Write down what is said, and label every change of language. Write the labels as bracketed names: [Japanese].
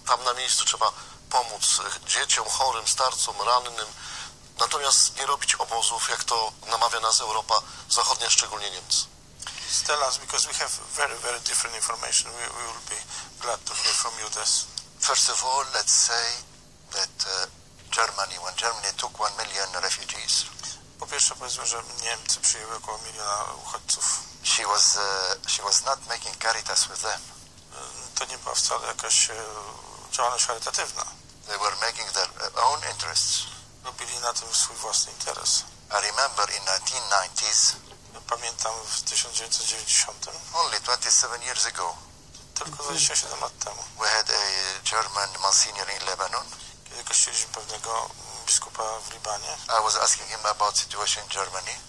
[Polish] Tam na miejscu trzeba pomóc dzieciom, chorym, starcom, rannym. Natomiast nie robić obozów, jak to namawia nas Europa Zachodnia, szczególnie Niemcy. [English] Tell us, because we have very, very different information. We will be glad to hear from you this. First of all, let's say that when Germany took 1 million refugees. [Polish] Po pierwsze, powiedzmy, że Niemcy przyjęły około miliona uchodźców. [English] She was not making Caritas with them. [Polish] To nie była wcale jakaś działalność charytatywna. [English] They were making their own interests. [Polish] Robili na tym swój własny interes. [English] I remember in 1990s. [Polish] Pamiętam w 1990. [English] Only 27 years ago. [Polish] Tylko 27 lat temu. [English] We had a German Monsignor in Lebanon. [Polish] Kiedy kościliśmy pewnego biskupa w Libanie. [English] I was asking him about situation in Germany.